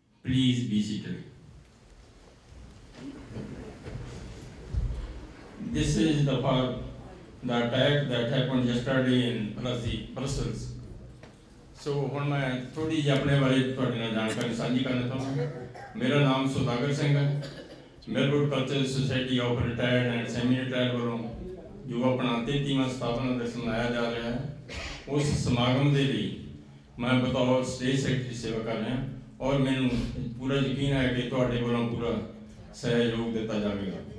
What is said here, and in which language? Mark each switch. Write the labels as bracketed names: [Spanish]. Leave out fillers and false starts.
[English] Please be seated. This is the part, the attack that happened yesterday in Brussels. [Punjabi] So, ਹੁਣ ਮੈਂ ਥੋੜ੍ਹੀ ਜਿਹੀ ਆਪਣੇ ਬਾਰੇ ਤੁਹਾਡੇ ਨਾਲ ਜਾਣਕਾਰੀ ਸਾਂਝੀ ਕਰਨਾ ਚਾਹਾਂਗਾ। ਮੇਰਾ ਨਾਮ ਸੁਧਾਕਰ ਸਿੰਘ ਹੈ। Melbourne cultural society of retired and semi retired ਵੱਲੋਂ ਜੋ ਆਪਣਾ 33ਵਾਂ ਸਥਾਪਨਾ ਦਿਵਸ ਮਨਾਇਆ ਜਾ ਰਿਹਾ ਹੈ, ਉਸ ਸਮਾਗਮ ਦੇ ਲਈ ਮੈਂ ਬਤੌਰ ਸਟੇਜ ਸੈਕਟਰੀ ਸੇਵਾ ਕਰ ਰਿਹਾ ਔਰ ਮੈਨੂੰ ਪੂਰਾ ਯਕੀਨ ਹੈ ਕਿ ਤੁਹਾਡੇ ਵੱਲੋਂ ਪੂਰਾ ਸਹਿਯੋਗ ਦਿੱਤਾ ਜਾਵੇਗਾ।